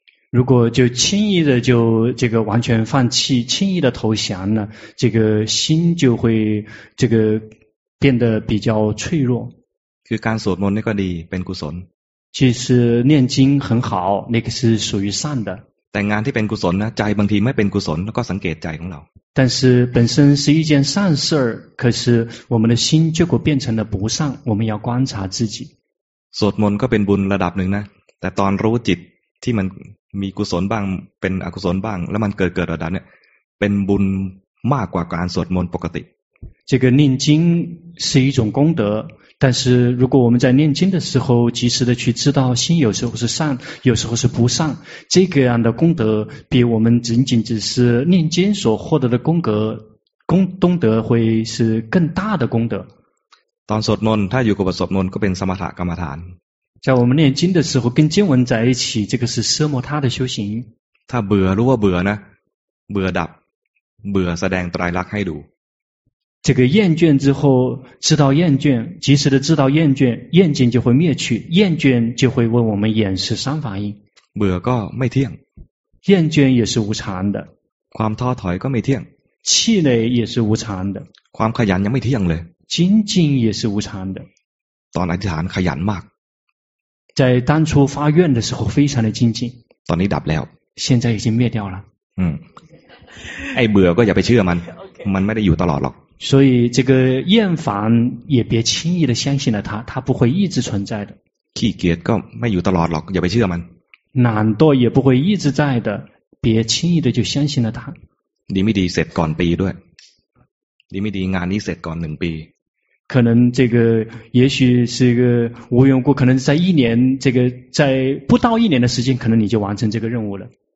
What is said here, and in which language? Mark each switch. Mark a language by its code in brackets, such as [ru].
[zh] 如果就轻易的就这个完全放弃，轻易的投降呢，这个心就会这个变得比较脆弱。 [th] คือการสวดมนต์นี่ก็ดีเป็นกุศล。 [zh] 其实念经很好，那个是属于善的。 [th] แต่งานที่เป็นกุศลนะใจบางทีไม่เป็นกุศลก็สังเกตใจของเรา。 [zh] 但是本身是一件善事儿，可是我们的心结果变成了不善，我们要观察自己。 [th] สวดมนต์ก็เป็นบุญระดับหนึ่งนะแต่ตอนรู้จิตที่มันมีกุศลบ้างเป็นอกุศลบ้างแล้วมันเกิดระดับเนี่ยเป็นบุญมากกว่าการสวดมนต์ปกติ [zh] 这个念经是一种功德，但是如果我们在念经的时候及时的去知道心有时候是善，有时候是不善，这个样的功德比我们仅仅只是念经所获得的功德会是更大的功德。 [th] ตอนสวดมนต์ถ้าอยู่กับสวดมนต์ก็เป็นสมถะกรรมฐาน。 [zh] 在我们念经的时候跟经文在一起，这个是奢摩他的修行。 [th] 他เบื่อรู้ว่าเบื่อนะเบื่อดับเบื่อแสดงตรายรักให้ดู。 [zh] 这个厌倦之后知道厌倦，及时的知道厌倦，厌倦就会灭去，厌倦就会为我们演示三法印。 [th] เบื่อก็ไม่เที่ยง。 [zh] 厌倦也是无常的。 [th] ความท้อถอยก็ไม่เที่ยง。 [zh] 气馁也是无常的。 [th] ความขยันยังไม่เที่ยงเลย。 [zh] 精进也是无常的。 [th] ตอนอธิษฐานขยันมาก。 [zh] 在当初发愿的时候非常的精进。 [th] ตอนนี้ดับแล้ว。 [zh] 现在已经灭掉了。 [th] ไอ้เบื่อก็อย่าไปเชื่อมัน okay. มันไม่ได้อยู่ตลอดหรอก。 [zh] 所以这个厌烦也别轻易的相信了它不会一直存在的。 [th] ขี้เกียจก็ไม่อยู่ตลอดหรอกอย่าไปเชื่อมัน。 [zh] 懒惰也不会一直在的别轻易的就相信了它。 [th] ดีไม่ดีเสร็จก่อนปีด้วย。 ดีไม่ดีงานนี้เสร็จก่อนหนึ่งปี。 [zh] 可能这个也许是一个无缘故，可能在一年，这个在不到一年的时间，可能你就完成这个任务了。